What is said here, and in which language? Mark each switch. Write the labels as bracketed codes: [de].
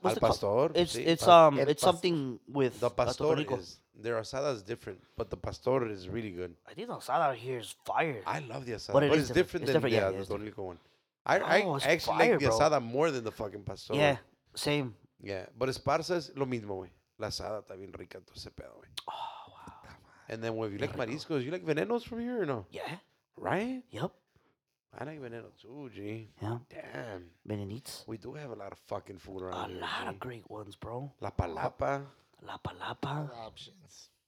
[en] Al Pastor? It's something with the Pastor. Their asada is different, but the Pastor is really good. I think the asada here is fire. I love the asada, but it's different than the Tonico one. I actually like the asada more than the fucking Pastor. Yeah, same. Yeah, but [es] Esparza's lo mismo, güey. La asada está bien rica, todo ese pedo, güey. [en] And then, if you like mariscos, you like venenos from here or no? Yeah. Right? Yep. I like veneno too, G. Yeah. Damn. Venenites. We do have a lot of fucking food around here. A lot here, of great ones, bro. La Palapa. La Palapa. Options.